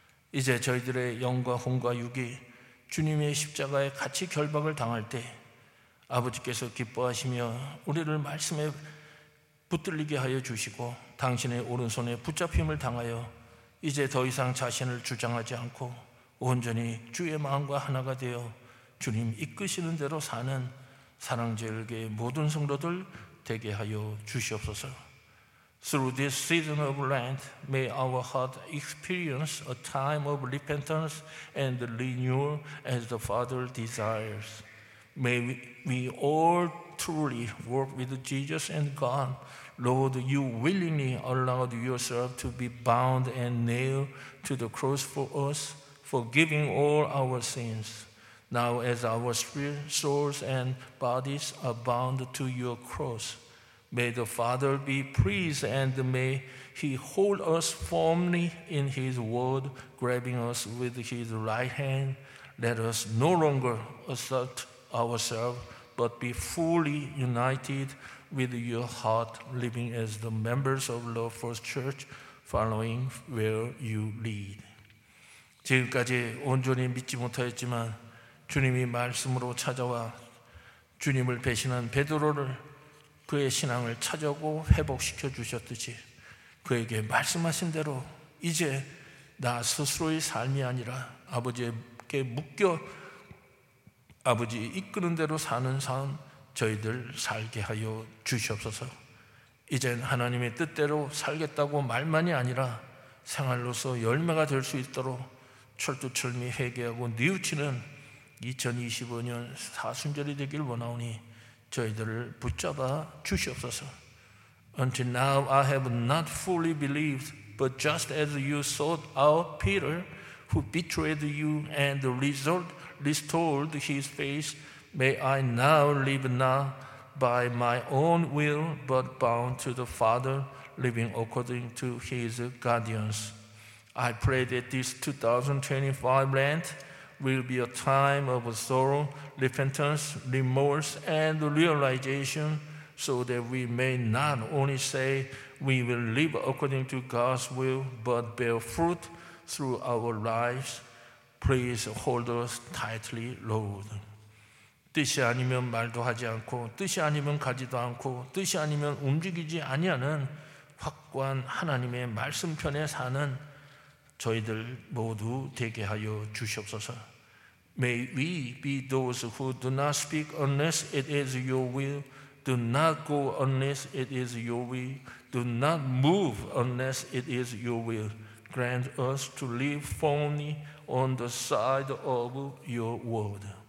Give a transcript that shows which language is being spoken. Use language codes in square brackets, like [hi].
[ko] 이제 저희들의 영과 혼과 육이 주님의 십자가에 같이 결박을 당할 때 아버지께서 기뻐하시며 우리를 말씀에 붙들리게 하여 주시고 당신의 오른손에 붙잡힘을 당하여 이제 더 이상 자신을 주장하지 않고 온전히 주의 마음과 하나가 되어 주님 이끄시는 대로 사는 사랑제일교회의 모든 성도들 되게 하여 주시옵소서. [en] Through this season of Lent, may our heart experience a time of repentance and renewal as the Father desires. May we all truly work with Jesus and God. Lord, you willingly allowed yourself to be bound and nailed to the cross for us, forgiving all our sins. Now, as our spirit, souls, and bodies are bound to your cross, may the Father be pleased and may he hold us firmly in his word, grabbing us with his right hand. Let us no longer assert ourselves, but be fully united with your heart, living as the members of Love First Church, following where you lead. [ko] 지금까지 온전히 믿지 못하였지만 주님이 말씀으로 찾아와 주님을 배신한 베드로를 그의 신앙을 찾아오고 회복시켜 주셨듯이 그에게 말씀하신 대로 이제 나 스스로의 삶이 아니라 아버지께 묶여 아버지 이끄는 대로 사는 삶 저희들 살게 하여 주시옵소서. 이젠 하나님의 뜻대로 살겠다고 말만이 아니라 생활로서 열매가 될 수 있도록 철두철미 회개하고 뉘우치는 2025년 사순절이 되길 원하오니 저희들을 붙잡아 주시옵소서. [en] Until now I have not fully believed, but just as you sought out Peter, who betrayed you and the result restored his faith, may I now live not by my own will, but bound to the Father, living according to his guidance. I pray that this 2025 Lent will be a time of sorrow, repentance, remorse, and realization so that we may not only say we will live according to God's will, but bear fruit through our lives. Please hold us tightly, Lord. [ko] 뜻이 아니면 말도 하지 않고, 뜻이 아니면 가지도 않고, 뜻이 아니면 움직이지 아니하는 확고한 하나님의 말씀 편에 사는 저희들 모두 되게 하여 주시옵소서. [en] May we be those who do not speak unless it is your will, do not go unless it is your will, do not move unless it is your will. Grant us to live firmly on the side of your word.